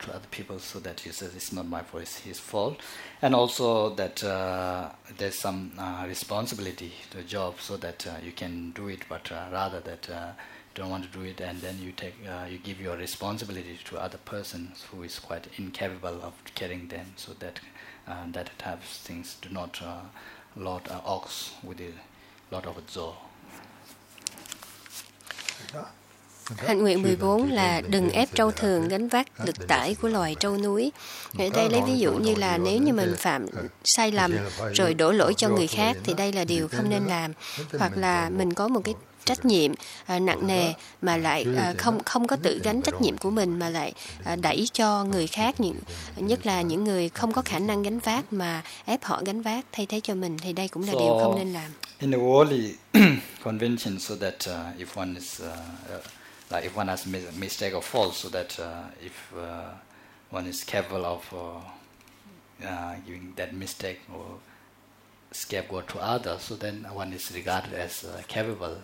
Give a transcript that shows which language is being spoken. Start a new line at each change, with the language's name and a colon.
English: people, so that he says it's not my fault, it's his fault, and also that there's some responsibility to the job, so that you can do it, but rather that you don't want to do it, and then you take you give your responsibility to other persons who is quite incapable of carrying them, so that that type of things do not lord an ox with a lord of a zoo.
Vietnamese: Hạnh nguyện 14 là đừng ép trâu thường gánh vác lực tải của loài trâu núi. Ở đây lấy ví dụ như là nếu như mình phạm sai lầm rồi đổ lỗi cho người khác thì đây là điều không nên làm. Hoặc là mình có một cái trách nhiệm nặng nề mà lại không có tự gánh trách nhiệm của mình mà lại đẩy cho người khác, nhất là những người không có khả năng gánh vác mà ép họ gánh vác thay thế cho mình, thì đây cũng là điều không nên làm.
English: In the worldly convention, so that if one is like if one has made a mistake or fault, so that if one is capable of giving that mistake or scapegoat to others, so then one is regarded as capable.